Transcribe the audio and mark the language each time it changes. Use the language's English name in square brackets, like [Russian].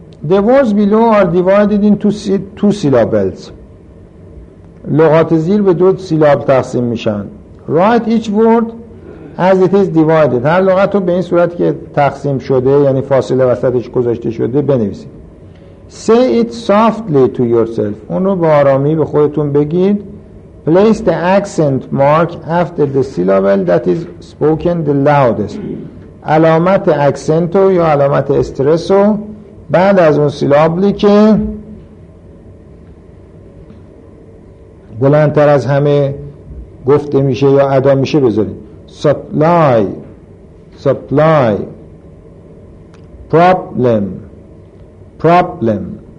[English] The words below are divided into two syllables. [Persian] لغات زیر به دو سیلاب تقسیم میشن. [English] Write each word as it is divided. [Persian] هر لغت رو به این صورت که تقسیم شده، یعنی فاصله وسطش گذاشته شده، بنویسید. [English] Say it softly to yourself. [Persian] اون رو با آرامی به خودتون بگید. [English] Place the accent mark after the syllable that is spoken the loudest. [Persian] علامت اکسنت رو یا علامت استرس رو بعد از اون سیلابی که بلندتر از همه گفته میشه یا ادا میشه بذارید. [English] Supply, supply. Problem, problem.